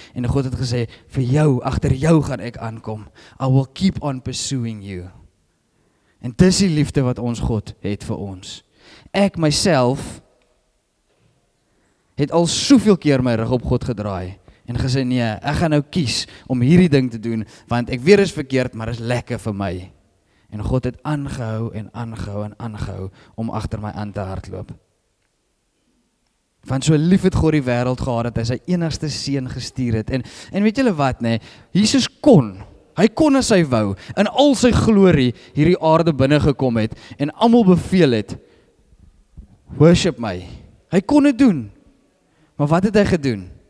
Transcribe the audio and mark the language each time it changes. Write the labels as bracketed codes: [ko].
[af] En God het gesê, vir jou, agter jou gaan ek aankom. [en] I will keep on pursuing you. [af] En dis die liefde wat ons God het vir ons. Ek myself het al soveel keer my rug op God gedraai. En gesê, nee, ek gaan nou kies om hierdie ding te doen, want ek weet is verkeerd, maar is lekker vir my. En God het aangehou en aangehou en aangehou om agter my aan te hardloop. Want so lief het God die wêreld gehad dat hy sy enigste seun gestuur het. En weet julle wat nê? Jesus kon. Hy kon as hy wou in al sy glorie hierdie aarde binne gekom het en almal beveel het worship my. Hy kon dit doen. Maar wat het hy gedoen?